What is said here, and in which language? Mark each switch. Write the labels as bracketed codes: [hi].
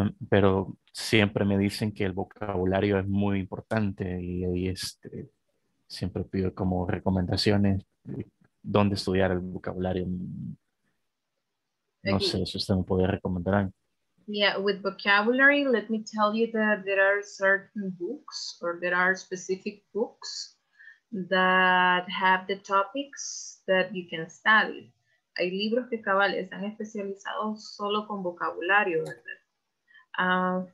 [es] Pero siempre me dicen que el vocabulario es muy importante y siempre pido como recomendaciones dónde estudiar el vocabulario. No sé si usted me podría recomendar. [en] Yeah, with vocabulary, let me tell you that there are certain books or there are specific books that have the topics that you can study. [es] Hay libros que cabal están especializados solo con vocabulario, ¿verdad?